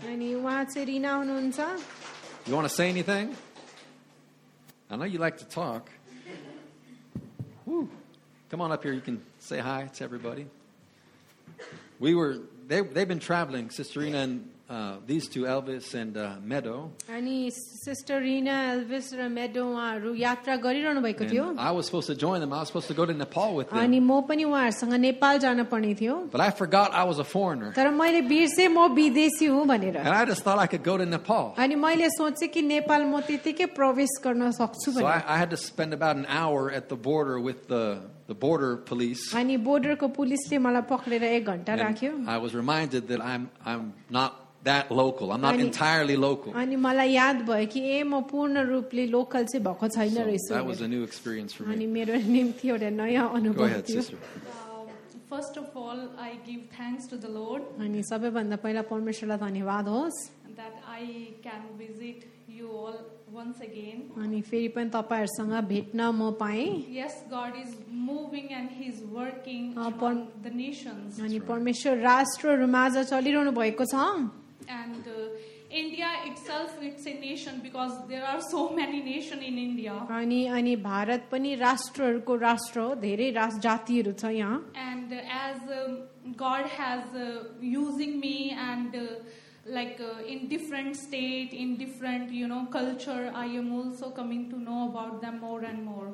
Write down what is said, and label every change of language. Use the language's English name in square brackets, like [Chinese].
[Nepali] अनि वहाँ चाहिँ रीना हुनुहुन्छ. [English] You want to say anything? I know you like to talk. Woo. Come on up here. You can say hi to everybody. They've been traveling, Sister Rena and these two, Elvis and Meadow. [Nepali] अनि Sister Rena, Elvis र Meadow वहाँहरू यात्रा गरिरहनु भएको थियो. [English] I was supposed to join them. I was supposed to go to Nepal with them. [Nepali] अनि म पनि उहाँहरूसँग नेपाल जान पर्ने थियो. [English] But I forgot I was a foreigner. [Nepali] तर मैले बिर्से म विदेशी हुँ भनेर. [English] And I just thought I could go to Nepal. [Nepali] अनि मैले सोचे कि नेपाल म त्यतिकै प्रवेश गर्न सक्छु भनेर. [English] So I had to spend about an hour at the border with the border police. [Nepali] अनि बोर्डरको पुलिसले मलाई पक्रेर एक घण्टा राख्यो. [English] I was reminded that I'm not that local. I'm not entirely local. [Nepali] अनि मलाई याद भयो कि ए म पूर्ण रूपले लोकल चाहिँ भएको छैन रहेछ. [English] That was a new experience for me. [Nepali] अनि मेरो निम्ति एउटा नयाँ अनुभव थियो. [English] Go ahead, sister. First of all, I give thanks to the Lord. [Nepali] अनि सबैभन्दा पहिला परमेश्वरलाई धन्यवाद होस्. [English] That I can visit you all once again. [Nepali] अनि फेरि पनि तपाईहरुसँग भेट्न म पाए. [English] Yes, God is moving and he's working on the nations. [Nepali] अनि परमेश्वर राष्ट्रहरु माझ चलिरहनु भएको छ. [English] And India itself, it's a nation because there are so many nations in India. [Nepali] अनि भारत पनि राष्ट्रहरुको राष्ट्र हो. धेरै जातिहरु छ यहाँ. [English] And as God has using me and in different state, in different, you know, culture, I am also coming to know about them more and more.